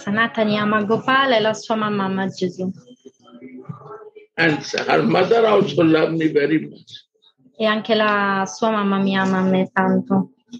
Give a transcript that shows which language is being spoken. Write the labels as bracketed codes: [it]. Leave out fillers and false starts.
[it] Sanatani ama Gopal e la sua mamma ama Gesù. [en] And her mother also loves me very much. [it] E anche la sua mamma mi ama a me tanto.